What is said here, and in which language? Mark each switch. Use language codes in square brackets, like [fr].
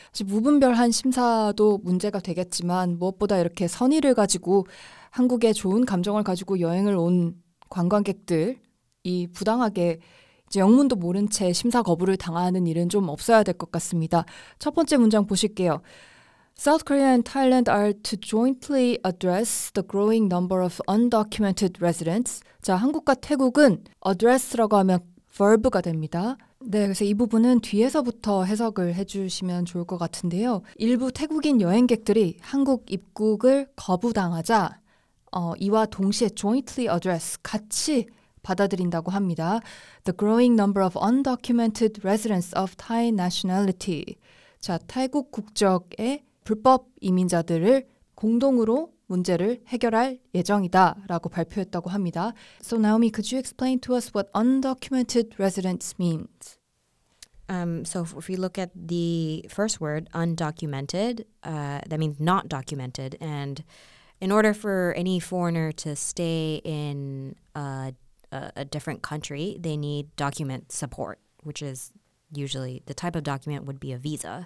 [ko] 무분별한 심사도 문제가 되겠지만 무엇보다 이렇게 선의를 가지고 한국에 좋은 감정을 가지고 여행을 온 관광객들이 부당하게 이제 영문도 모른 채 심사 거부를 당하는 일은 좀 없어야 될 것 같습니다. 첫 번째 문장 보실게요. [en] South Korea and Thailand are to jointly address the growing number of undocumented residents. [ko] 자, 한국과 태국은 address라고 하면 verb가 됩니다. 네, 그래서 이 부분은 뒤에서부터 해석을 해주시면 좋을 것 같은데요. 일부 태국인 여행객들이 한국 입국을 거부당하자 이와 동시에 jointly address, 같이 받아들인다고 합니다. [en] The growing number of undocumented residents of Thai nationality. [ko] 자, 태국 국적의 불법 이민자들을 공동으로 문제를 해결할 예정이다 라고 발표했다고 합니다. [en] So Naomi, could you explain to us what undocumented residents means? So if we look at the first word, undocumented, that means not documented. And in order for any foreigner to stay in a different country, they need document support, which is usually the type of document would be a visa.